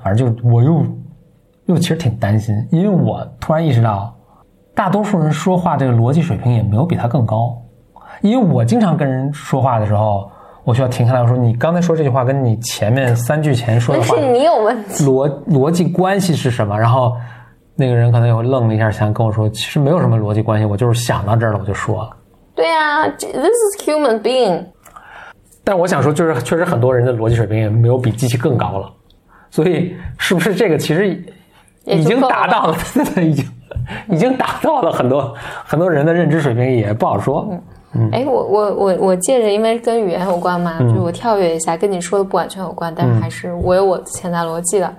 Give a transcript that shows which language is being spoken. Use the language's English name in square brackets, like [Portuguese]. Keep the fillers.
[Chinese] 反正就我又又其实挺担心，因为我突然意识到，大多数人说话这个逻辑水平也没有比他更高，因为我经常跟人说话的时候。我需要停下来。我说，你刚才说这句话，跟你前面三句前说的话，逻辑逻辑关系是什么？然后那个人可能会愣了一下，想跟我说，其实没有什么逻辑关系，我就是想到这儿了，我就说了。 [English] 对啊，This is human being。 [Chinese] 但我想说，就是确实很多人的逻辑水平也没有比机器更高了，所以是不是这个其实已经达到了？现在已经已经达到了很多很多人的认知水平，也不好说。哎、嗯，我我我我借着，因为跟语言有关嘛、嗯，就我跳跃一下，跟你说的不完全有关，嗯、但是还是我有我的潜在逻辑的。